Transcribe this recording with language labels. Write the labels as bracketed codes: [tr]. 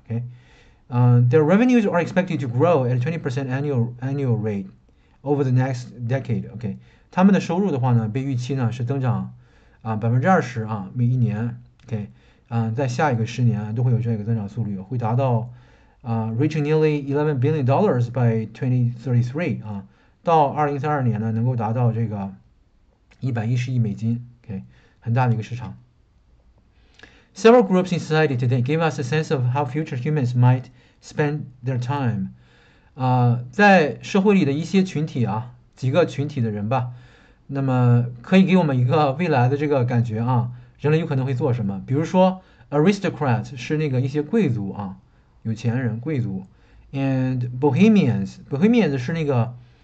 [en] OK，their revenues are expected to grow at 20% annual rate over the next decade。 [zh] OK，他们的收入的话呢，被预期呢是增长20%啊，每一年。 OK，在下一个10年都会有这样一个增长速率，会达到。 [en] Reaching nearly $11 billion by 2033 [zh] 啊，到2032年呢，能够达到这个110亿美金，OK，很大的一个市场。 [en] Several groups in society today give us a sense of how future humans might spend their time。 [zh] 在社会里的一些群体啊，几个群体的人吧，那么可以给我们一个未来的这个感觉啊，人类有可能会做什么？比如说，aristocrat 是那个一些贵族啊，有钱人、贵族， [en] and bohemians [zh] 是那个